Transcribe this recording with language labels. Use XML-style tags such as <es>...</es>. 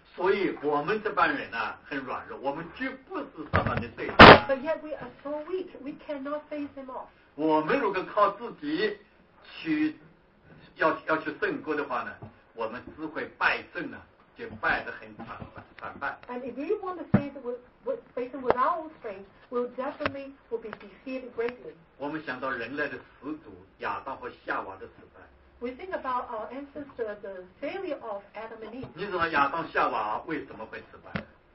<zh>所以我们这帮人呢、啊，很软弱，我们绝不是撒旦的对手。</zh> <en>But yet we are so weak. We cannot face him off.</en> <zh>我们如果靠自己去要去胜过的话呢，我们只会败阵呢、啊，就败得很惨败。</zh> <en>And if we want to face it with our own strength, we'll definitely will be defeated greatly.</en> <zh>我们想到人类的始祖亚当和夏娃的失败。</zh> <en>We think about our ancestor, the failure of Adam and Eve.</en> <zh>你知道亚当夏娃为什么会失败</zh>